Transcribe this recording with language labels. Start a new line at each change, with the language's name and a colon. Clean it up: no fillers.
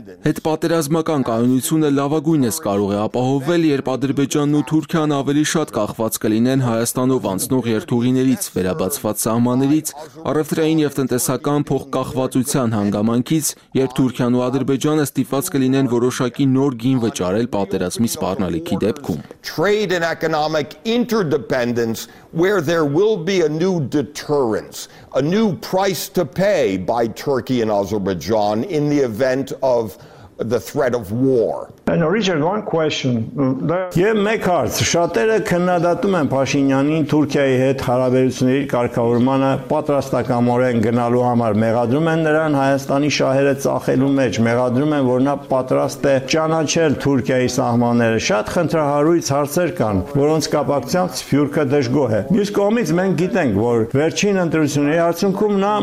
Armenian: Այդ պատերազմական կայունությունը լավագույն է կարող է ապահովվել, երբ Ադրբեջանն ու Թուրքիան ավելի շատ կախված կլինեն Հայաստանով անցնող երթուղիներից, վերաբացված սահմաններից, առևտրային եւ տնտեսական փոխկախվածության հանգամանքից, երբ Թուրքիան ու Ադրբեջանը ստիպված կլինեն որոշակի նոր գին վճարել պատերազմի սպառնալիքի դեպքում։
English: Trade and economic interdependence where there will be a new deterrence, a new price to pay by Turkey and Azerbaijan in the event of the threat of war. And Richard, one question.
Armenian: Եմ մեկ հարց, շատերը քննադատում են Փաշինյանին Թուրքիայի հետ հարաբերությունների կարգավորմանը պատրաստակամորեն գնալու համար, մեղադրում են նրան Հայաստանի շահերը ծախելու մեջ, մեղադրում են, որ նա պատրաստ է ճանաչել Թուրքիայի սահմանները։ Շատ խնդրահարույց հարցեր կան, որոնց կապակցությամբ Սփյուռքը դժգոհ է։ Մյուս կողմից մենք գիտենք, որ վերջին ընտրությունների արդյունքում նա